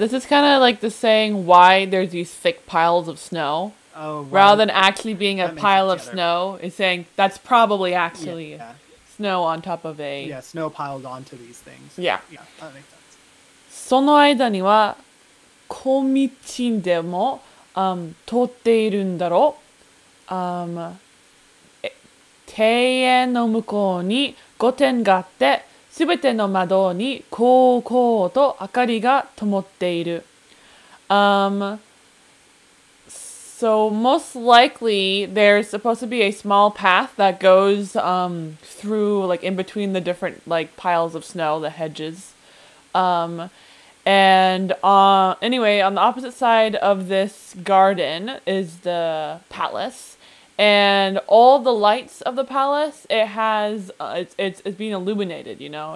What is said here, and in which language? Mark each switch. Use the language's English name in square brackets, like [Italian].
[English] This is kind of like the saying why there's these thick piles of snow. Oh, rather than actually being a pile of snow, it's saying that's probably actually snow on top of a... Yeah, snow piled onto these things. Yeah. Yeah, that makes sense. [Japanese] その間には小道でも通っているんだろう。庭園の向こうに御殿があって、すべての窓にこうこうと明かりが灯っている。 [English] So most likely there's supposed to be a small path that goes through like in between the different like piles of snow, the hedges. Anyway, on the opposite side of this garden is the palace, and all the lights of the palace, it has it's being illuminated, you know.